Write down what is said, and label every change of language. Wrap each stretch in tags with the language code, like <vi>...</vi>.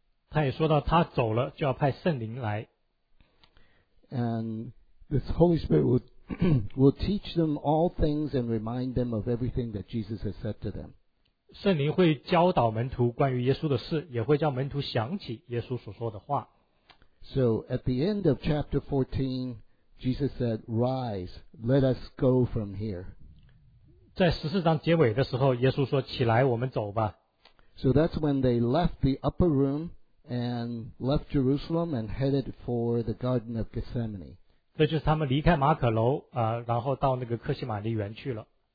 <zh>他也说到他走了就要派圣灵来。</zh> <en>And this Holy Spirit will teach them all things and remind them of everything that Jesus has said to them.</en> <zh>圣灵会教导门徒关于耶稣的事，也会叫门徒想起耶稣所说的话。</zh> <en>So at the end of chapter 14, Jesus said, "Rise, let us go from here."</en> <zh>在十四章结尾的时候，耶稣说：“起来，我们走吧。”</zh> <en>So that's when they left the upper room and left Jerusalem and headed for the Garden of Gethsemane.</en> <zh>这就是他们离开马可楼然后到那个克西马尼园去了。</zh>